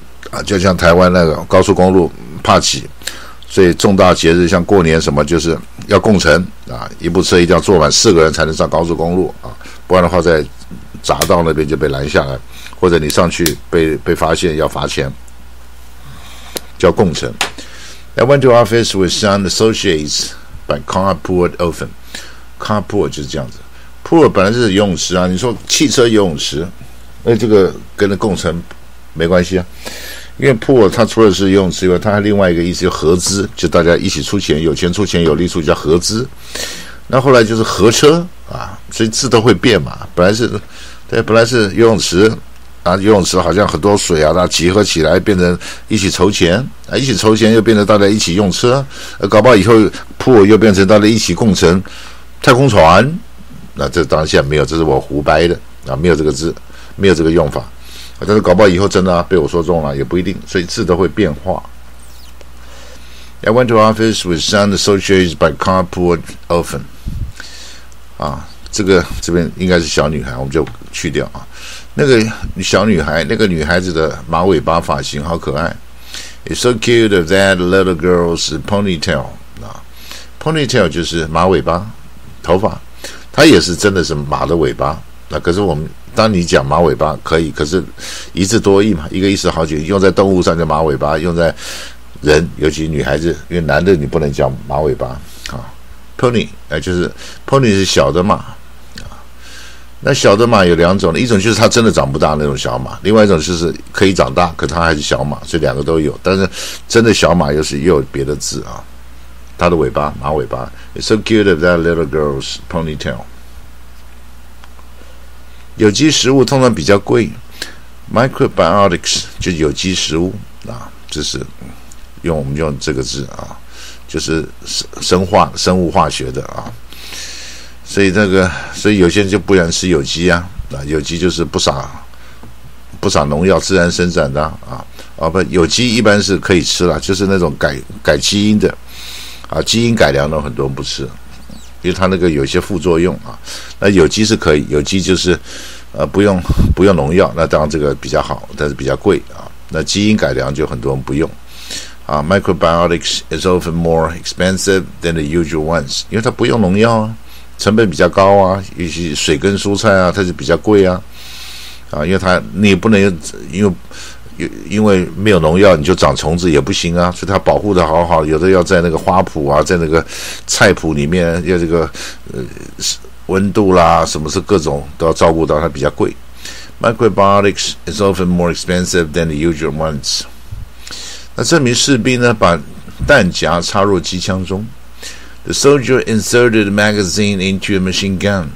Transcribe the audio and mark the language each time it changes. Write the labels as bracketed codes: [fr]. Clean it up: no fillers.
[zh] 啊，就像台湾那个高速公路怕挤，所以重大节日像过年什么就是要共乘啊，一部车一定要坐满四个人才能上高速公路啊，不然的话在匝道那边就被拦下来，或者你上去被发现要罚钱，叫共乘。 [en] I went to office with some associates by carpooled often. [zh] Carpool 就是这样子， pool 本来是游泳池啊，你说汽车游泳池，那这个跟着共乘没关系啊，因为 pool 它除了是游泳池以外，它还另外一个意思叫合资，就大家一起出钱，有钱出钱，有力出，叫合资。那后来就是合车啊，所以字都会变嘛。本来是，对，本来是游泳池啊，游泳池好像很多水啊，那集合起来变成一起筹钱啊，一起筹钱又变成大家一起用车，搞不好以后 pool 又变成大家一起共乘太空船。那这当然现在没有，这是我胡掰的啊，没有这个字，没有这个用法。但是搞不好以后真的、被我说中了也不一定，所以字都会变化。 [en] I went to office with some associates by carpool often. [zh] 啊，这个这边应该是小女孩，我们就去掉啊。那个小女孩，那个女孩子的马尾巴发型好可爱。 [en] It's so cute of that little girl's ponytail. [zh] 啊 ，ponytail 就是马尾巴，头发，它也是真的是马的尾巴。那、可是我们当你讲马尾巴可以，可是一字多义嘛，一个意思好几个，用在动物上叫马尾巴，用在人，尤其女孩子，因为男的你不能叫马尾巴啊。 Pony 就是 Pony 是小的马啊。那小的马有两种，一种就是它真的长不大那种小马，另外一种就是可以长大，可它还是小马，所以两个都有。但是真的小马又是又有别的字啊，它的尾巴马尾巴。 [en] It's so cute of that little girl's ponytail. [zh] 有机食物通常比较贵 ，microbiotics 就有机食物啊，就是。用我们用这个字啊，就是生物化学的啊，所以那个所以有些人就不然吃有机啊，啊有机就是不撒农药自然生长的 不有机一般是可以吃了，就是那种改基因的啊，基因改良的很多人不吃，因为它那个有些副作用啊，那有机是可以，有机就是不用农药，那当然这个比较好，但是比较贵啊，那基因改良就很多人不用。 [en] Microbiotics is often more expensive than the usual ones. [zh] 因为它不用农药啊，成本比较高啊，尤其水跟蔬菜啊，它就比较贵啊。因为它你不能因为没有农药你就长虫子也不行啊，所以它保护的好好，有的要在那个花圃啊，在那个菜圃里面，要这个温度啦，什么是各种都要照顾到，它比较贵。 [en] Microbiotics is often more expensive than the usual ones. [zh] 那这名士兵呢，把弹夹插入机枪中。 [en] The soldier inserted a magazine into a machine gun.